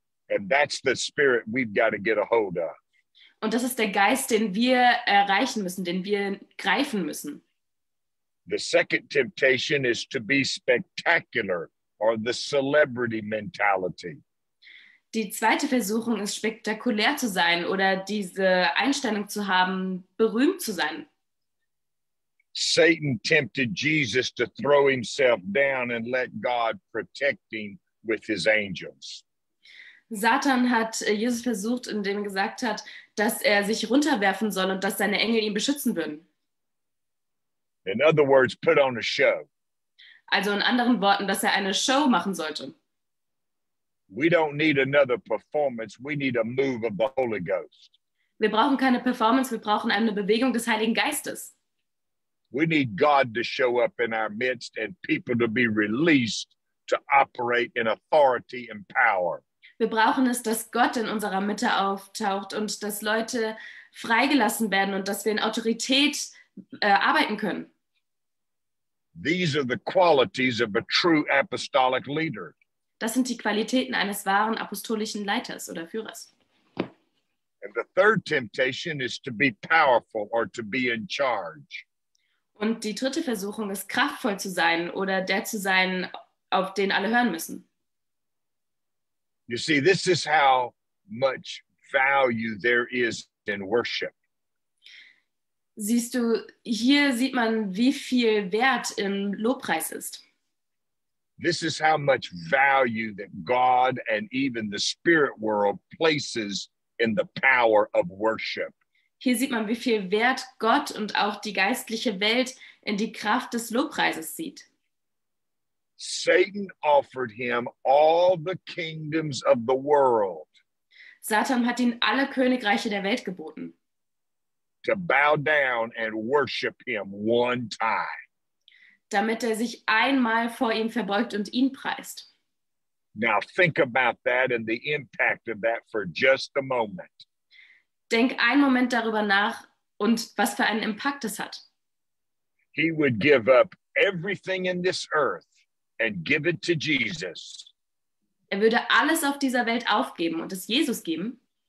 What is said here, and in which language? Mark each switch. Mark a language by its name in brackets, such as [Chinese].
[English] And that's the spirit we've got to get a hold of. [German] Und das ist der Geist, den wir erreichen müssen, den wir greifen müssen. [English] The second temptation is to be spectacular, or the celebrity mentality. [German] Die zweite Versuchung ist, spektakulär zu sein oder diese Einstellung zu haben, berühmt zu sein. [English] Satan tempted Jesus to throw himself down and let God protect him with his angels. [German] Satan hat Jesus versucht, indem er gesagt hat, dass er sich runterwerfen soll und dass seine Engel ihn beschützen würden. [English] In other words, put on a show. [German] Also in anderen Worten, dass er eine Show machen sollte. [English] We don't need another performance, we need a move of the Holy Ghost. [German] Wir brauchen keine Performance, wir brauchen eine Bewegung des Heiligen Geistes. [English] We need God to show up in our midst and people to be released to operate in authority and power. [German] Wir brauchen es, dass Gott in unserer Mitte auftaucht und dass Leute freigelassen werden und dass wir in Autorität arbeiten können. [English] These are the qualities of a true apostolic leader. [German] Das sind die Qualitäten eines wahren apostolischen Leiters oder Führers. [English] And the third temptation is to be powerful or to be in charge. [German] Und die dritte Versuchung ist, kraftvoll zu sein oder der zu sein, auf den alle hören müssen. [English] You see, this is how much value there is in worship. [German] Siehst du, hier sieht man, wie viel Wert im Lobpreis ist. [English] This is how much value that God and even the spirit world places in the power of worship. [German] Hier sieht man, wie viel Wert Gott und auch die geistliche Welt in die Kraft des Lobpreises sieht. [English] Satan offered him all the kingdoms of the world. [German] Satan hat ihn alle Königreiche der Welt geboten. [English] To bow down and worship him one time. [German] Damit er sich einmal vor ihm verbeugt und ihn preist. [English] Now think about that and the impact of that for just a moment. [German] Denk einen Moment darüber nach und was für einen Impact es hat. [English] He would give up everything in this earth and give it to Jesus. [German] Er würde alles auf dieser Welt aufgeben und es Jesus geben.